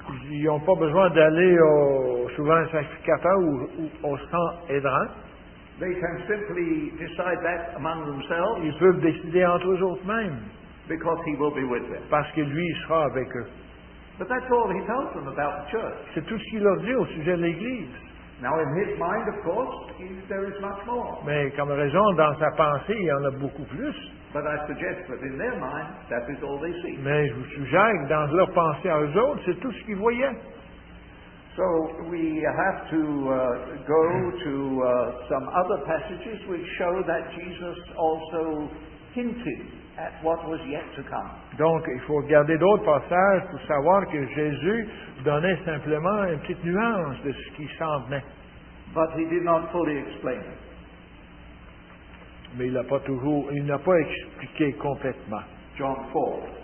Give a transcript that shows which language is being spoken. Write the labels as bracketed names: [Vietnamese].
[French] Ils n'ont pas besoin d'aller souvent au sacrificateur ou au Sanhédrin. [English] They can simply decide that among themselves. [French] Ils peuvent décider entre eux mêmes. [English] Because he will be with them. [French] Parce que lui sera avec eux. [English] But that's all he tells them about the church. [French] C'est tout ce qu'il leur dit au sujet de l'Église. [English] Now in his mind, of course, there is much more. [French] Mais comme raison, dans sa pensée, il y en a beaucoup plus. [English] But I suggest that in their mind, that is all they see. [French] Mais je vous suggère que dans leur pensée à eux autres, c'est tout ce qu'ils voyaient. [English] So we have to go to some other passages which show that Jesus also hinted at what was yet to come. [French] Donc, il faut regarder d'autres passages pour savoir que Jésus donnait simplement une petite nuance de ce qui s'en venait. [English] But he did not fully explain it. [French] Mais il n'a pas expliqué complètement. [English] John 4.